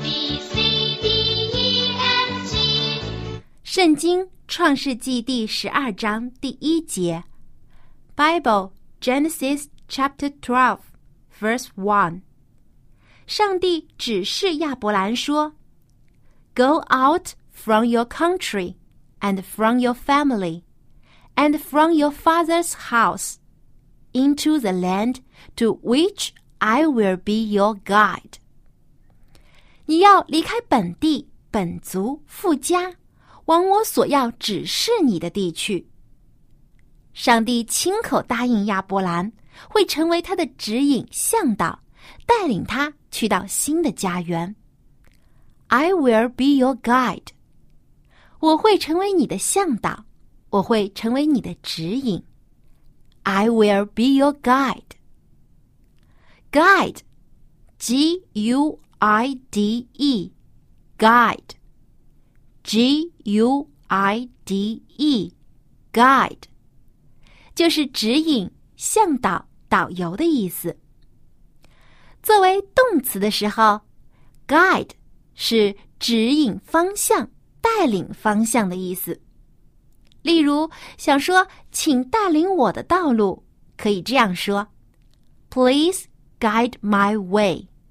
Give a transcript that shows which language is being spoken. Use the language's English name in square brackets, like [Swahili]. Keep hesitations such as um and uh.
[English] B C D E F G，《 [Chinese] 圣经》创世纪第十二章第一节， [English] Bible Genesis Chapter Twelve, Verse One。 [Chinese] 上帝指示亚伯兰说： [English] “Go out。 ” From your country, and from your family, and from your father's house, into the land to which I will be your guide。 [Chinese] 你要离开本地、本族、富家，往我所要指示你的地区。上帝亲口答应亚伯兰会成为他的指引、向导，带领他去到新的家园。 [English] I will be your guide。 [Chinese] 我会成为你的向导，我会成为你的指引。 [English] I will be your guide. Guide, G U I D E, guide, G U I D E, guide， [Chinese] 就是指引、向导、导游的意思。作为动词的时候，guide 是指引方向。带领方向的意思，例如想说“请带领我的道路”，可以这样说： [English] “Please guide my way。